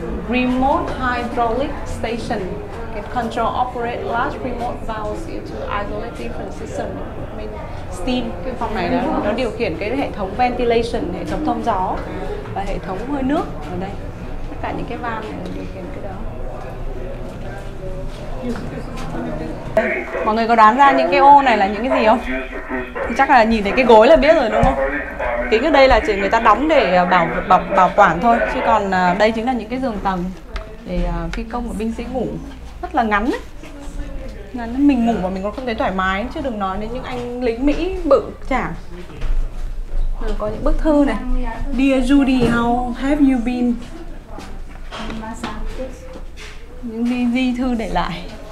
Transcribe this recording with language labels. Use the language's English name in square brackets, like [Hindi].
[English] Remote hydraulic station can control operate large remote valves into isolated different system. [Vietnamese] Steam, cái phòng này nó điều khiển cái hệ thống ventilation, hệ thống thông gió và hệ thống hơi nước ở đây. Tất cả những cái van này điều khiển cái đó. Mọi người có đoán ra những cái ô này là những cái gì không? Chắc là nhìn thấy cái gối là biết rồi đúng không? Kính ở đây là chỉ người ta đóng để bảo quản thôi. Chứ còn đây chính là những cái giường tầng để phi công và binh sĩ ngủ. Rất là ngắn ấy. Ngắn, mình ngủ mà mình còn không thấy thoải mái. Chứ đừng nói đến những anh lính Mỹ bự chả. Có những bức thư này. [English] Dear Judy, how have you been? [Vietnamese] Những di thư để lại.